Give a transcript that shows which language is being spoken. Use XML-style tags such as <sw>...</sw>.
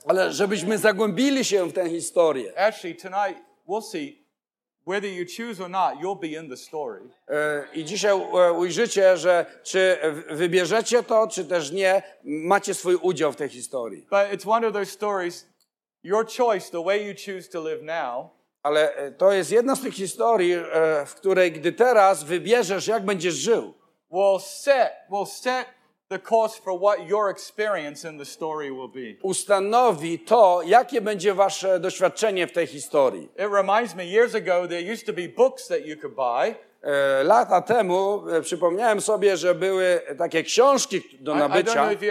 <pl>Ale żebyśmy zagłębili się w tę historię.</pl> <en>Actually, tonight we'll see whether you choose or not, you'll be in the story.</en> <pl>I dzisiaj ujrzycie, że czy wybierzecie to, czy też nie, macie swój udział w tej historii.</pl> <en>But it's one of those stories, your choice, the way you choose to live now.</en> <pl>Ale to jest jedna z tych historii, w której gdy teraz wybierzesz, jak będziesz żył,</pl> <en>will set the course for what your experience in the story will be.</en> <pl>Ustanowi to, jakie będzie wasze doświadczenie w tej historii.</pl> <en>It reminds me, years ago there used to be books that you could buy.</en> <pl>Lata temu przypomniałem sobie, że były takie książki do nabycia.</pl>